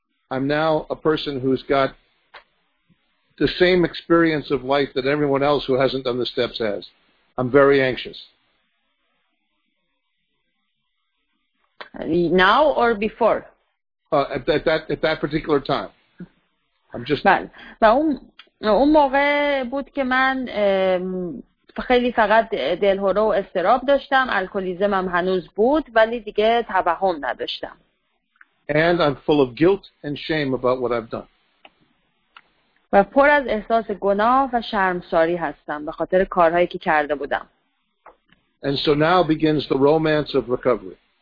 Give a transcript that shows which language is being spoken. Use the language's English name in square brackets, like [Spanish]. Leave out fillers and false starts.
[English] I'm now a person who's got the same experience of life that everyone else who hasn't done the steps has. I'm very anxious. Now or before? At that particular time. I'm just... [Persian] بله. و اون موقع بود که من خیلی فقط دلهوره و استراب داشتم. الکولیزم هم هنوز بود ولی دیگه توهم نداشتم. [English] And I'm full of guilt and shame about what I've done. [Persian] و و پر از احساس گناه و شرمساری هستم به خاطر کارهایی که کرده بودم. [English] And so now begins the romance of recovery.